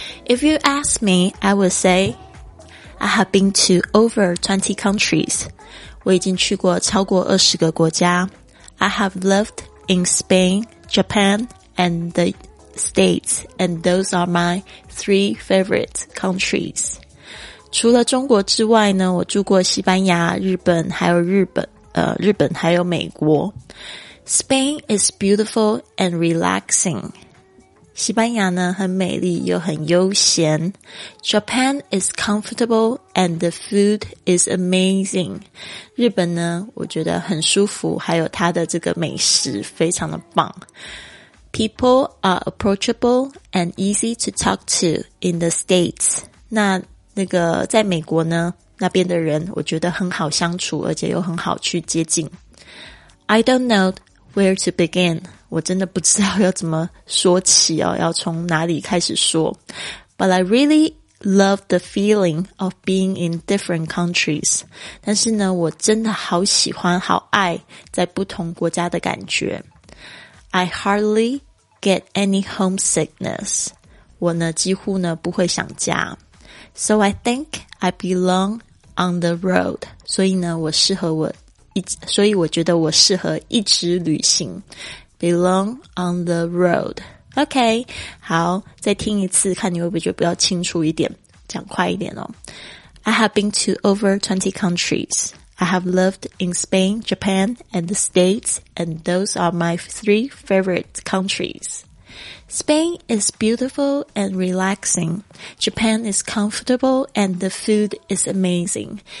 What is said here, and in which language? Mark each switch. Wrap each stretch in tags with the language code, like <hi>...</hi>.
<en>If you ask me, I will say I have been to over 20 countries.</en> <zh>我已经去过超过20个国家。</zh> <en>I have lived in Spain, Japan and the States, and those are my 3 favorite countries.</en> <zh>除了中国之外呢，我住过西班牙、日本还有美国。</zh> <en>Spain is beautiful and relaxing.</en> <zh>西班牙呢很美丽又很悠闲。</zh> <en>Japan is comfortable and the food is amazing.</en> <zh>日本呢我觉得很舒服，还有它的这个美食非常的棒。</zh> <en>People are approachable and easy to talk to in the States.</en> <zh>那个在美国呢，那边的人我觉得很好相处，而且又很好去接近。</zh> <en>I don't know where to begin.</en> <zh>我真的不知道要怎么说起哦，要从哪里开始说。</zh> <en>But I really love the feeling of being in different countries.</en> <zh>但是呢，我真的好喜欢，好爱在不同国家的感觉。</zh> <en>I hardly get any homesickness.</en> <zh>我呢，几乎呢，不会想家。</zh> <en>So I think I belong on the road.</en> <zh>所以呢，我觉得我适合一直旅行。</zh> <en>Belong on the road.</en> <zh>OK, 好，再听一次，看你会不会觉得比较清楚一点，讲快一点哦。</zh> <en>I have been to over 20 countries. I have lived in Spain, Japan, and the States, and those are my 3 favorite countries. Spain is beautiful and relaxing. Japan is comfortable and the food is amazing.</en>